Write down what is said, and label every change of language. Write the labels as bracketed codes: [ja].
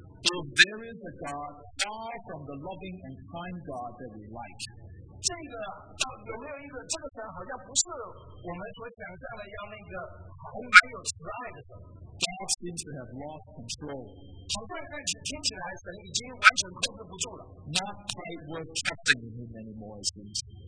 [en] If there is a God far from the loving and kind God that we like. [zh] 这个有没有一个这个神好像不是我们所想象的要那个好蛮有慈爱的神？ [en] God seems to have lost control. [zh] 好像看起来神已经完全控制不住了。 [en] Not quite worth trusting in him anymore, it seems.